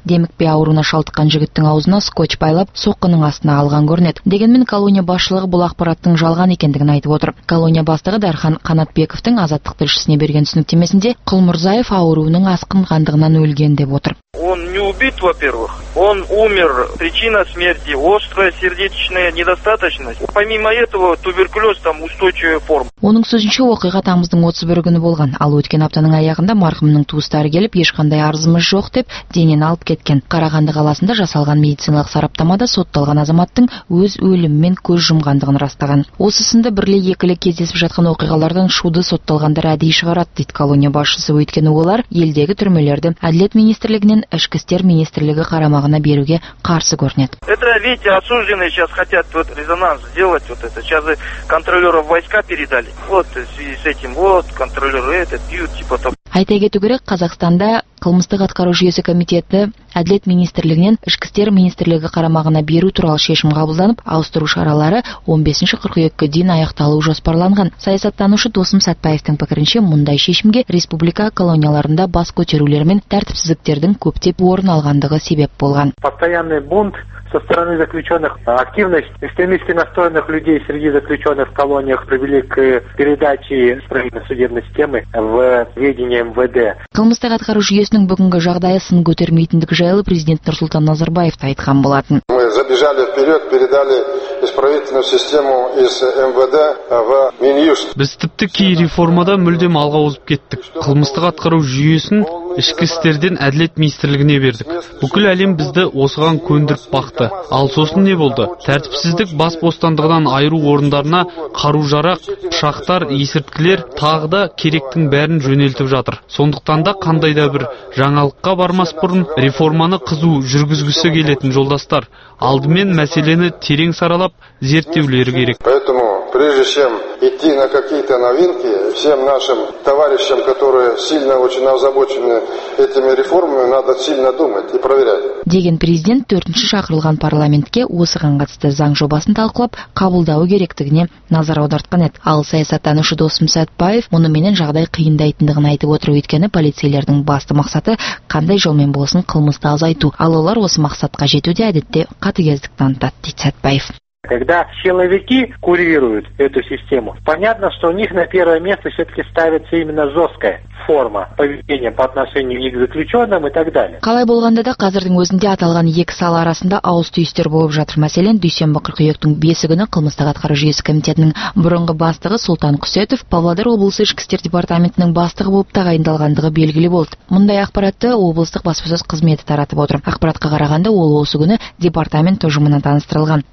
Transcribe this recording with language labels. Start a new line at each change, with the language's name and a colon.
Kazakh: Демікпе ауруына шалдыққан жігіттің аузына скотч байлап, соққының астына алған көрінеді. Дегенмен колония басшылығы бұл ақпараттың жалған екендігін айтып отыр. Колония бастығы Дархан Қанатбековтің азаттық тілшісіне берген түсініктемесінде Құлмұрзаев ауруының асқынғандығынан өлген деп отыр.
Russian: Он не убит, во-первых. Он умер. Причина смерти – острая сердечная недостаточность. Помимо этого, туберкулез там устойчивая форма.
Kazakh: Оның сөзінше оқиға тамыздың 31 күні болған. Ал өткен аптаның аяғында марқұмның туыстары келіп, ешқандай арызымыз жоқ деп, денені алып кеткен. Қарағанды қаласында жасалған медициналық сараптамада сотталған азаматтың өз өлімімен көз жұмғандығын растаған. Осы сынды бірле екілі кездесіп жатқан оқиғалардан шуды сотталғандар әдейі шығарады, дейді колония басшысы. Өйткені олар елдегі түрмелерді Әділет министрлігінен Ішкі істер министрлігі қарамағына беруге қарсы көрінеді.
Russian: Это ведь осужденные сейчас хотят вот резонанс сделать вот это. Сейчас контролёров войска передали. Вот в связи с этим вот контролёры этот пьют типа там.
Kazakh: Айта кету керек, Қазақстанда қылмыстық атқару жүйесі комитеті Әділет министрлігінен Ішкі істер министрлігі қарамағына беру туралы шешім қабылданып, ауыстыру шаралары 15 қыркүйекке дейін аяқталуы жоспарланған. Саясаттанушы Досым Сәтбаевтың пікірінше, мұндай шешімге республика колонияларында бас көтерулер мен тәртіпсіздіктердің көптеп орын алғандығы себеп болған.
Russian: Постоянный бунт со стороны заключенных, активность экстремистски настроенных людей среди заключенных в колониях привели к передаче правосудебной системы в ведение МВД.
Kazakh: Қылмыстық атқару жүйесінің бүгінгі жағдайы сын көтермейтіндік жайлы президент Нұрсұлтан Назарбаев айтқан болатын.
Russian: Мы забежали вперед, передали исправительную систему из МВД в Минюст.
Kazakh: Біз тіпті кей реформада мүлдем алға озып кеттік. Қылмыстық атқару жүйесін Ішкі істерден әділет министрлігіне бердік. Бүкіл әлем бізді осыған көндіріп бақты. Ал сосын не болды? Тәртіпсіздік бас бостандығынан айыру орындарына қару-жарақ, пышақтар, есірткілер тағы да керектің бәрін жөнелтіп жатыр. Сондықтан да қандай да бір жаңалыққа бармас бұрын реформаны қызу жүргізгісі келетін жолдастар, алдымен мәселені терең саралап, зерттеулері керек.
Russian: Поэтому, прежде чем идти на какие-то новинки, всем нашим товарищам, которые сильно очень озабочены этими реформами, надо сильно думать и проверять.
Kazakh: Деген президент 4-ші шақырылған парламентке осыған қатысты заң жобасын талқылап, қабылдауы керектігіне назар аудартқан еді. Ал саясаттанушы Досым Сәтбаев мұны менен жағдай қиындайтындығын айтып отыр, өйткені полицейлердің басты мақсаты қандай жолмен болсын қылмысты азайту. Ал олар осы мақсатқа жетуде әдетте қатыгездік танытады, дейді Сәтбаев.
Russian: Когда силовики курируют эту систему, понятно, что у них на первое место все-таки ставится именно жесткая форма поведения по отношению к заключенным и так далее.
Kazakh: Қалай болғанда да, қазірдің өзінде аталған екі сала арасында ауыс түйістер болып жатыр. Мәселен, дүйсенбі қыркүйектің бесі күні қылмыстық атқару жүйесі комитетінің бұрынғы бастығы Султан Құсетов Павлодар облысы ішкі істер департаментінің бастығы болып тағайындалғандығы белгілі болды. Мұндай ақпаратты облыстық баспасөз қызметі таратып отыр. Ақпаратқа қарағанда, ол осы күні департамент ұжымына таныстырылған.